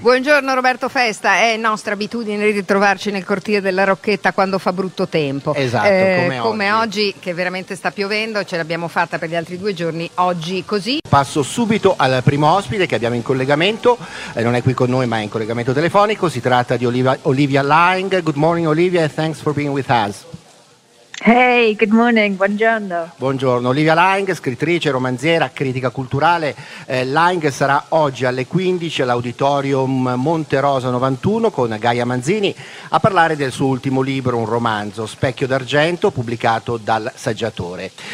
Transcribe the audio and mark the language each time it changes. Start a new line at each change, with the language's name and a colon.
Italian: Buongiorno Roberto Festa, è nostra abitudine ritrovarci nel cortile della Rocchetta quando fa brutto tempo. Esatto, come oggi che veramente sta piovendo, ce l'abbiamo fatta per gli altri due giorni, oggi così. Passo subito al primo ospite che abbiamo in collegamento, non è qui con noi ma è in collegamento telefonico, si tratta di Olivia Lang.
English: Good morning Olivia, thanks for being with us. Hey, good morning,
Italian: buongiorno. Buongiorno, Olivia Lang, scrittrice, romanziera, critica culturale. Lang sarà oggi alle 15 all'Auditorium Monte Rosa 91 con Gaia Manzini a parlare del suo ultimo libro, un romanzo, Specchio d'argento, pubblicato dal Saggiatore.